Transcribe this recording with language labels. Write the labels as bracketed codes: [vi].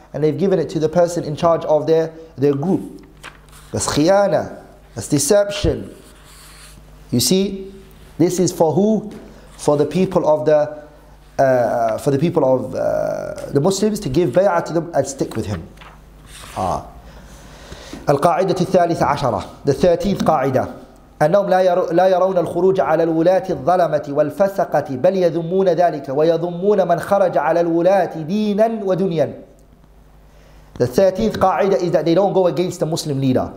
[en] and they've given it to the person in charge of their group. That's khiyana. That's deception. You see, this is for who? For the people of the Muslims to give bay'ah to them and stick with him. [ar] القاعدة الثالثة عشرة. [en] The 13th قاعدة. [ar] أنهم لا يرون الخروج على الولاة الظلمة والفسقة بل يذمون ذلك ويذمون من خرج على الولاة دينا ودنيا. [en] The 13th قاعدة is that they don't go against the Muslim leader.